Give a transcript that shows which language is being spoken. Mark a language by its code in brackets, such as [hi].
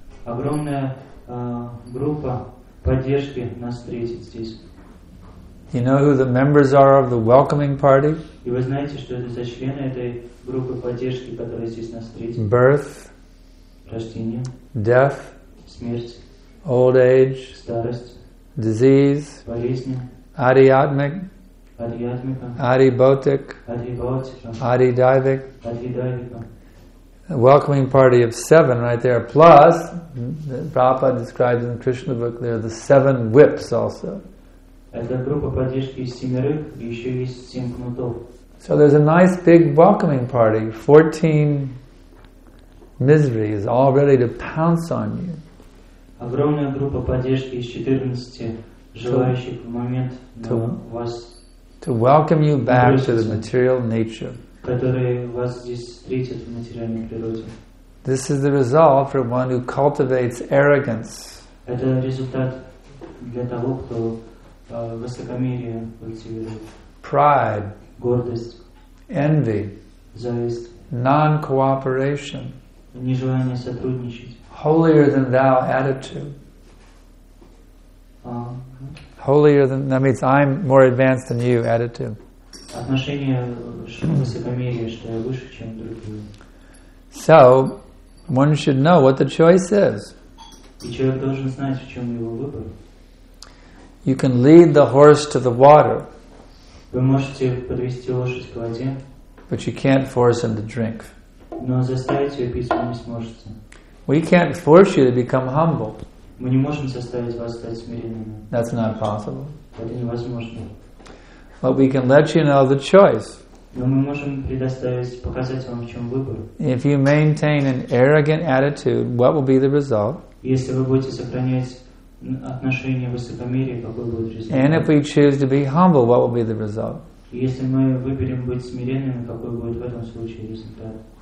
[ru] Огромная группа поддержки нас встретит здесь. [en] You know who the members are of the welcoming party? [ru] И вы знаете, что это за члены этой группы поддержки, которые здесь нас встретят? [en] Birth. [ru] Рождение. [en] Death. [ru] Смерть. [en] Old age. [ru] Старость. [en] Disease. [ru] Болезни. [sa] Adiatmic. Adiatmika. Adibhautik. Adibhautika. Adidaivik. Adidaivika. [en] A welcoming party of seven right there, plus Prabhupada describes in the Krishna book there are the seven whips also. [ru] Это группа поддержки из семерых, и еще есть семь кнутов. [en] So there's a nice big welcoming party. 14 miseries all ready to pounce on you. [ru] Огромная группа поддержки из 14 желающих в момент вас. [en] To welcome you back to the material nature. [ru] Которые вас здесь встретят в материальной природе. [en] This is the result for one who cultivates arrogance. [ru] Это результат для того, кто высокомерие культивирует. [en] Pride. [ru] Гордость. [en] Envy. [ru] Зависть. [en] Non-cooperation. [ru] Нежелание сотрудничать. [en] Holier than thou attitude. Holier than, that means I'm more advanced than you attitude. [ru] Отношение высокомерие, что я выше, чем другие. [en] So, one should know what the choice is. [ru] И человек должен знать, в чем его выбор. [en] You can lead the horse to the water. [ru] Вы можете подвести лошадь к воде. [en] But you can't force him to drink. [ru] Но заставить ее пить вы не сможете. [en] We can't force you to become humble. [ru] Мы не можем заставить вас стать смиренными. [en] That's not possible. [ru] Это невозможно. [en] But we can let you know the choice. [ru] Но мы можем предоставить, показать вам, в чем выбор. [en] If you maintain an arrogant attitude, what will be the result? [ru] Если вы будете сохранять отношение высокомерия, какой будет результат? [en] And if we choose to be humble, what will be the result? [ru] Если мы выберем быть смиренными, какой будет в этом случае результат?